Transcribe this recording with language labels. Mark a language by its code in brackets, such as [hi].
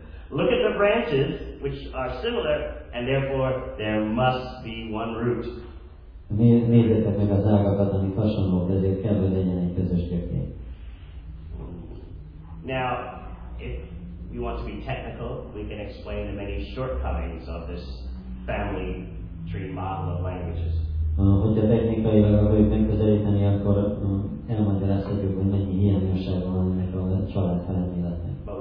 [en] Look at the branches, which are similar, and therefore there must be one root. [hu] Nézzétek meg az ágakat, amik hasonlók, ezért kell, hogy legyen egy közös gyökér. [en] Now, if you want to be technical, we can explain the many shortcomings of this family tree model of languages. [hu] Hogyha technikailag akarjuk megközelíteni, akkor elmagyarázhatjuk, hogy mennyi hiányosság van ennek a család felemléletnek.